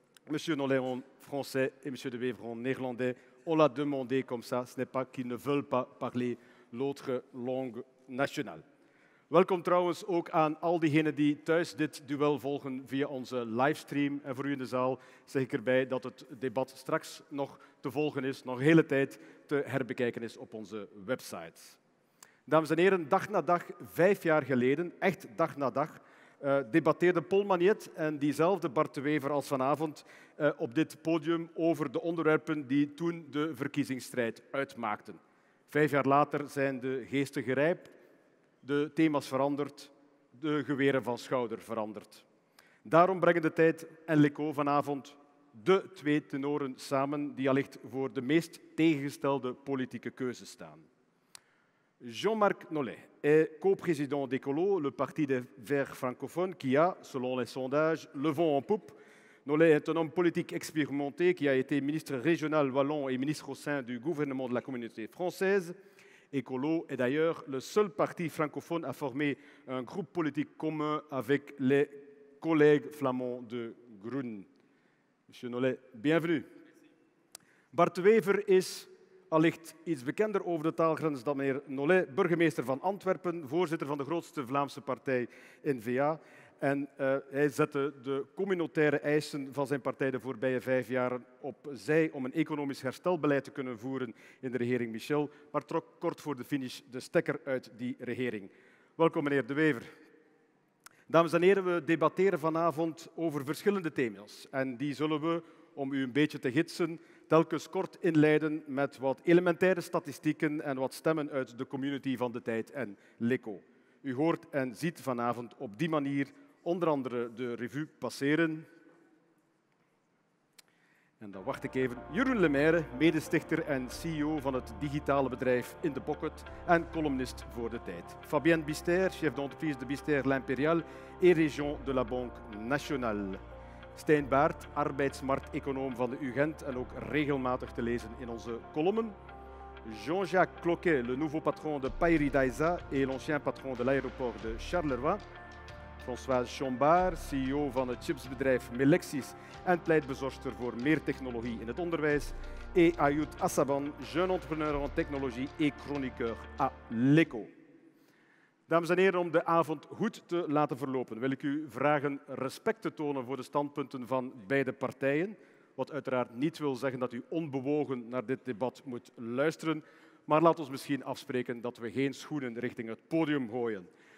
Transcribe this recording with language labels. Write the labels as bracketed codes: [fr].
[fr] Monsieur Nolet français et Monsieur de Beveron néerlandais, on l'a demandé comme ça, ce n'est pas qu'ils ne veulent pas parler l'autre langue nationale. [nl] Welkom trouwens ook aan al diegenen die thuis dit duel volgen via onze livestream. En voor u in de zaal zeg ik erbij dat het debat straks nog te volgen is, nog een hele tijd te herbekijken is op onze website. Dames en heren, dag na dag, 5 jaar geleden, echt dag na dag, debatteerden Paul Magnet en diezelfde Bart De Wever als vanavond op dit podium over de onderwerpen die toen de verkiezingsstrijd uitmaakten. 5 jaar later zijn de geesten gerijpt. De thema's veranderd, de geweren van schouder veranderd. Daarom brengen De Tijd en L'Echo vanavond de twee tenoren samen die allicht voor de meest tegengestelde politieke keuze staan. [fr] Jean-Marc Nolet est co-président d'Ecolo, le parti des Verts francophones, qui a, selon les sondages, le vent en poupe. Nolet est un homme politique expérimenté qui a été ministre régional wallon et ministre au sein du gouvernement de la communauté française. Ecolo est d'ailleurs le seul parti francophone à former un groupe politique commun avec les collègues flamands de Groen. Monsieur Nolet, bienvenue. Merci. [nl] Bart De Wever is allicht iets bekender over de taalgrens dan meneer Nolet, burgemeester van Antwerpen, voorzitter van de grootste Vlaamse partij N-VA. En hij zette de communautaire eisen van zijn partij de voorbije 5 jaren opzij om een economisch herstelbeleid te kunnen voeren in de regering Michel, maar trok kort voor de finish de stekker uit die regering. Welkom, meneer De Wever. Dames en heren, we debatteren vanavond over verschillende thema's. En die zullen we, om u een beetje te gidsen, telkens kort inleiden met wat elementaire statistieken en wat stemmen uit de community van De Tijd en L'Echo. U hoort en ziet vanavond op die manier onder andere de revue passeren. En dan wacht ik even. Jeroen Lemaire, medestichter en CEO van het digitale bedrijf In The Pocket en columnist voor De Tijd. [fr] Fabien Bister, chef d'entreprise de Bister L'Impérial et Région de la Banque Nationale. [nl] Stijn Baert, arbeidsmarkteconoom van de UGent en ook regelmatig te lezen in onze columnen. [fr] Jean-Jacques Cloquet, le nouveau patron de Paillery d'Aïssa et l'ancien patron de l'aéroport de Charleroi. [nl] Françoise Chombard, CEO van het chipsbedrijf Melexis en pleitbezorgster voor meer technologie in het onderwijs. [fr] Et Ayoud Assaban, jeune entrepreneur en technologie et chroniqueur à L'Echo. [nl] Dames en heren, om de avond goed te laten verlopen, wil ik u vragen respect te tonen voor de standpunten van beide partijen. Wat uiteraard niet wil zeggen dat u onbewogen naar dit debat moet luisteren. Maar laat ons misschien afspreken dat we geen schoenen richting het podium gooien.